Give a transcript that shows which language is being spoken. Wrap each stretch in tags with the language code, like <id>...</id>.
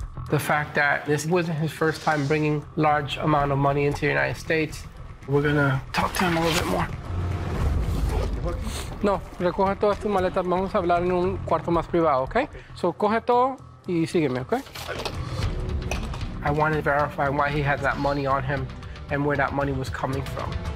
<en>The fact that this wasn't his first time bringing large amount of money into the United States, we're gonna talk to him a little bit more.</en> <es>No, recoge todas tus maletas. Vamos a hablar en un cuarto más privado, okay? So coge todo y sígueme, okay?</es> <en>I wanted to verify why he had that money on him and where that money was coming from.</en>